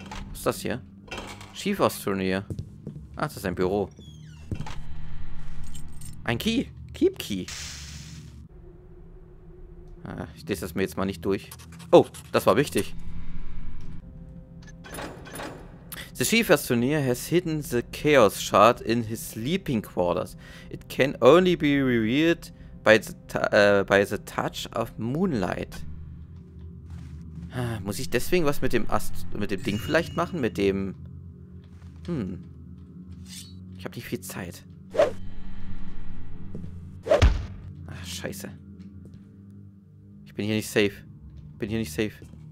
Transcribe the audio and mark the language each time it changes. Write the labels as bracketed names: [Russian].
[German] Was ist das hier? Schiefer's Turnier. Ah, das ist ein Büro. Ein Key. Keep Key. Ah, ich lese das mir jetzt mal nicht durch. Oh, das war wichtig. [English] The Schiefer's Turnier has hidden the Chaos Shard in his sleeping quarters. It can only be revealed by the touch of moonlight. [German] Muss ich deswegen was mit dem Ast, mit dem Ding vielleicht machen? Mit dem... Hm. Ich habe nicht viel Zeit. Ach, scheiße. Ich bin hier nicht safe.